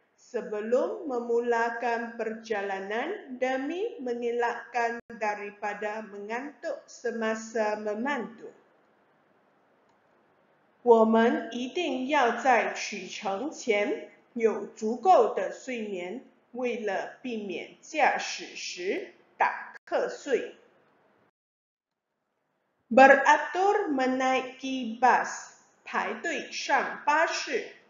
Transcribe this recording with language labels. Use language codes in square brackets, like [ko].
[ms] sebelum memulakan perjalanan demi mengelakkan daripada mengantuk semasa memandu. [zh] 我们一定要在启程前有足够的睡眠, 为了避免驾驶时打瞌睡。 [ms] Beratur menaiki bas, [zh] 排队上巴士。